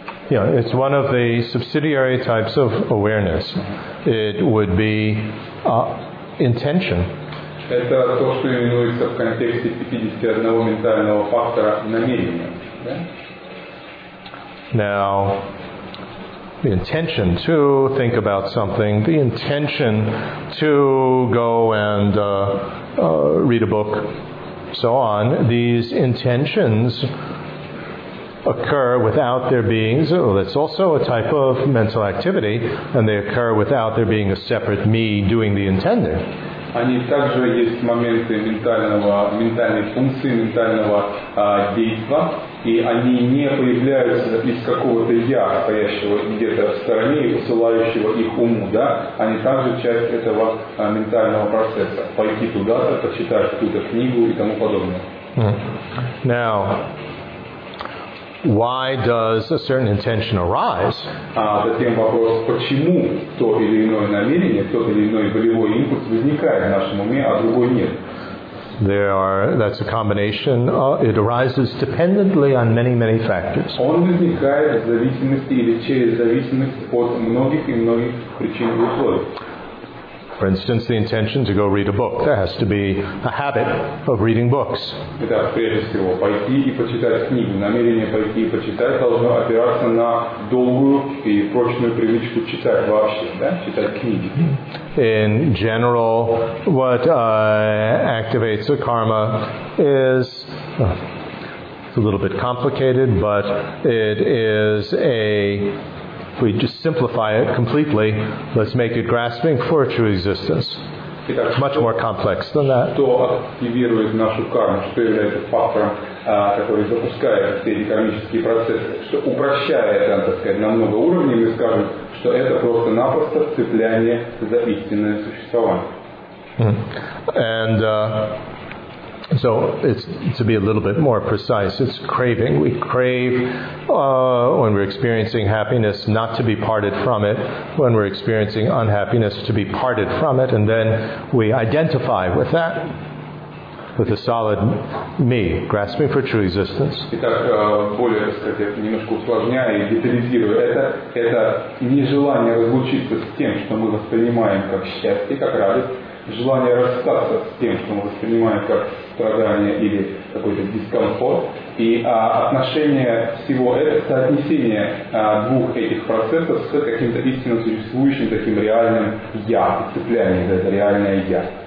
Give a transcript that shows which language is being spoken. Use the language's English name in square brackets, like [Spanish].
[English] Yeah, it's one of the subsidiary types of awareness. It would be intention. [Russian] Это то, что именуется в контексте 51 ментального фактора намерения. [English] Now. The intention to think about something, the intention to go and read a book, so on. These intentions occur without there being, so that's also a type of mental activity, and they occur without there being a separate me doing the intending. [Russian] Они также есть моменты ментальной функции, ментального действа, и они не появляются из какого-то я, стоящего где-то в стороне и посылающего их уму, да? Они также часть этого ментального процесса. Пойти туда-то, почитать какую-то книгу и тому подобное. [English] Now, why does a certain intention arise? [Russian] Затем вопрос, почему то или иное намерение, тот или иной волевой импульс возникает в нашем уме, а другой нет? [English] There are, that's a combination, it arises dependently on many, many factors. [Russian] Он возникает в зависимости или через зависимость от многих и многих причин и условий. [English] For instance, the intention to go read a book. There has to be a habit of reading books. [Russian] Итак, прежде всего, пойти и почитать книгу. Намерение пойти и почитать должно опираться на долгую и прочную привычку читать вообще, да? Читать книги. [English] In general, what activates a karma is, it's a little bit complicated, but it is a... If we just simplify it completely, let's make it grasping for a true existence. [Russian] Итак, [English] much [Russian] что, [English] more complex than that. [Russian] Что активирует нашу карму, что является фактором, который запускает все эти кармические процессы, что упрощает, так сказать, на много уровней, мы скажем, что это просто-напросто цепляние за истинное существование. [English] And so it's to be a little bit more precise, it's craving. We crave when we're experiencing happiness not to be parted from it, when we're experiencing unhappiness to be parted from it, and then we identify with that, with a solid me, grasping for true existence. [Russian] Итак, более, так сказать, немножко усложняя и детализируя это нежелание разлучиться с тем, что мы воспринимаем как счастье, как радость. Желание расстаться с тем, что мы воспринимаем как страдание или какой-то дискомфорт, и отношение всего этого, соотнесение двух этих процессов с каким-то истинно существующим таким реальным «я», цепляние за это реальное «я».